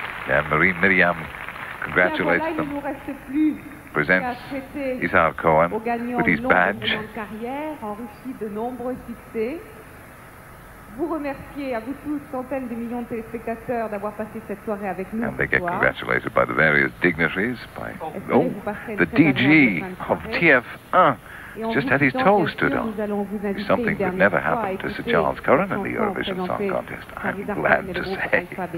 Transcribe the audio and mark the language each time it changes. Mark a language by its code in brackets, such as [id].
[en] And Marie Myriam congratulates them, presents Izhar Cohen with his badge. [fr] Vous remerciez à vous tous centaines de millions de téléspectateurs d'avoir passé cette soirée avec nous. [en] And they get congratulated by the various dignitaries, by the DG of TF1. Just had his toe stood on. Something that never happened to Sir Charles Curran in the Eurovision Song Contest, I'm glad to say.